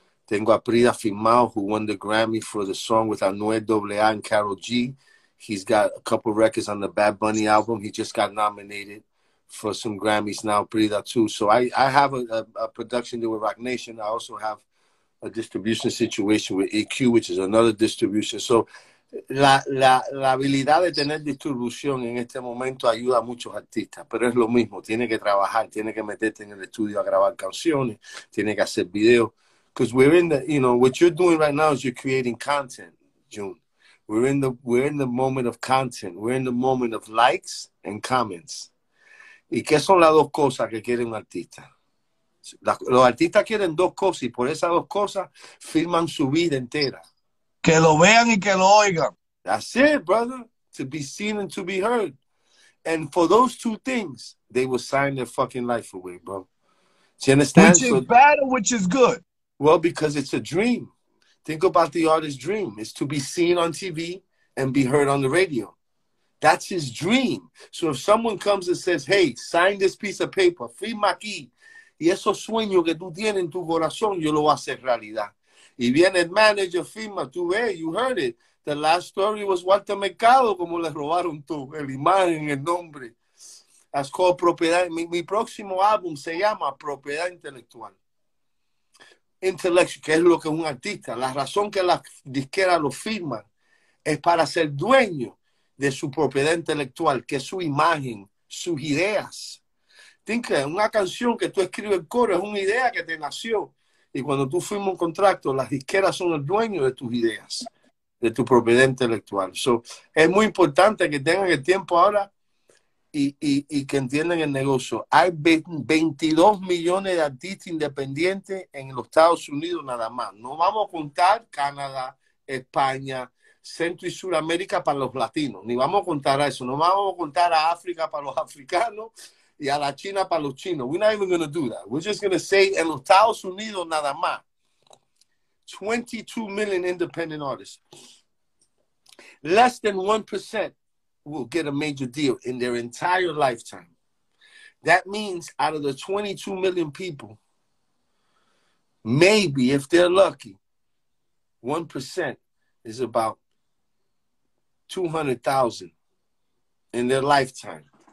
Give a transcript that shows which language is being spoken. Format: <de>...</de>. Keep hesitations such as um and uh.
<es>Tengo a Prida firmado,</es> <en>who won the Grammy for the song with Anuel AA and Carol G. He's got a couple records on the Bad Bunny album. He just got nominated for some Grammys now, Brida too. So I, I have a, a, a production deal with Rock Nation. I also have a distribution situation with AQ, which is another distribution.</en> <es>So la, la, la habilidad de tener distribución en este momento ayuda a muchos artistas, pero es lo mismo. Tiene que trabajar, tiene que meterte en el estudio a grabar canciones, tiene que hacer videos.</es> <en>Because we're in the, you know, what you're doing right now is you're creating content, June we're in the we're in the moment of content we're in the moment of likes and comments</en> <es>y qué son las dos cosas que quiere un artista la, los artistas quieren dos cosas y por esas dos cosas firman su vida entera que lo vean y que lo oigan</es> <en>that's it brother to be seen and to be heard and for those two things they will sign their fucking life away bro Do you understand which is so, bad or which is good well because it's a dream Think about the artist's dream is to be seen on TV and be heard on the radio. That's his dream. So if someone comes and says, hey, sign this piece of paper,</en> <es>firma aquí, y esos sueños que tú tienes en tu corazón, yo lo voy a hacer realidad. Y viene el manager, firma, tú ves,</es> <en>hey, you heard it. The last story was</en> <es>Walter Mercado, como le robaron tú, el imagen, el nombre.</es> <en>That's called</en> <es>propiedad. Mi, mi próximo álbum se llama Propiedad Intelectual. intellectual, que es lo que es un artista, la razón que las disqueras lo firman es para ser dueño de su propiedad intelectual, que es su imagen, sus ideas. Tinker, una canción que tú escribes el coro es una idea que te nació. Y cuando tú firmas un contrato, las disqueras son el dueño de tus ideas, de tu propiedad intelectual. So, es muy importante que tengan el tiempo ahora y, y, y, que entienden el negocio. Hay 22 millones de artistas independientes en los Estados Unidos nada más. No vamos a contar Canadá, España, Centro y Sudamérica para los latinos. Ni vamos a contar a eso. No vamos a contar a África para los africanos y a la China para los chinos.</es> <en>We're not even going to do that. We're just going to say</en> <es>en los Estados Unidos nada más.</es> <en>22 million independent artists. Less than 1%. will get a major deal in their entire lifetime. That means out of the 22 million people, maybe if they're lucky, 1% is about 200,000 in their lifetime.</en>